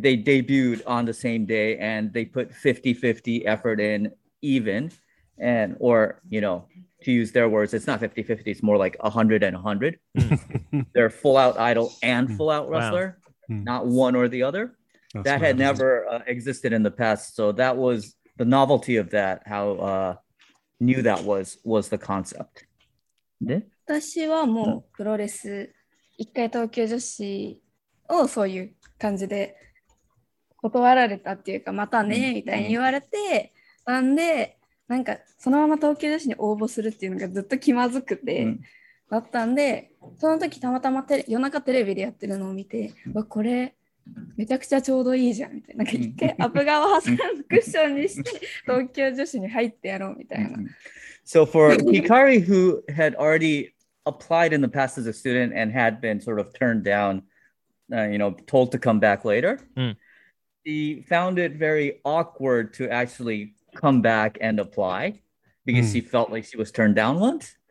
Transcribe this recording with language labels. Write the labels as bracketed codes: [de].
[en] They debuted on the same day and they put 50-50 effort in even, and, or, you know, to use their words, it's not 50-50, it's more like 100-100. They're full-out idol and full-out wrestler, not one or the other. That had never existed in the past. So that was the novelty of that, how new that was the concept. [ja] で? 私はもうプロレス、一回東京女子をそういう感じで断られたっていうか、またねみたいに言われて、なんで、なんかそのまま東京女子に応募するっていうのがずっと気まずくて、だったんで、その時たまたま夜中テレビでやってるのを見て、わ、これ、めちゃくちゃちょうどいいじゃんみたいな、なんか一回アプガを挟んでクッションにして東京女子に入ってやろうみたいな。 [en] So for Hikari, who had already applied in the past as a student and had been sort of turned down, you know, told to come back later, she found it very awkward to actually come back and apply because she felt like she was turned down once.